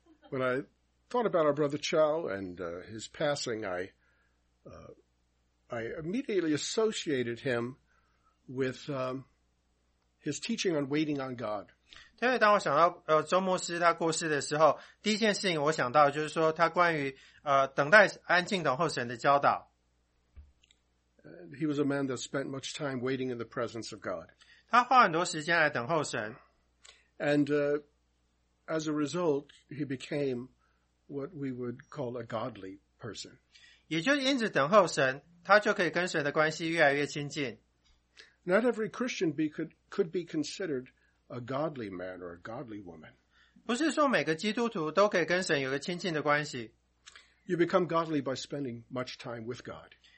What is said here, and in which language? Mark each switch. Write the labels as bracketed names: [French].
[English] When I thought about our brother Chow and his passing, I immediately associated him with his teaching on waiting on God. [Chinese] 因为当我想到周牧师他过世的时候，第一件事情我想到就是说他关于等待、安静等候神的教导。 [English] He was a man that spent much time waiting in the presence of God. [Chinese] 他花很多时间来等候神。 [English] And as a result, he became what we would call a godly person. [Chinese] 也就因此等候神，他就可以跟神的关系越来越亲近。 [English] Not every Christian could be considered a godly man or a godly woman. [Chinese] 不是说每个基督徒都可以跟神有个亲近的关系。 [English] You become godly by spending much time with God.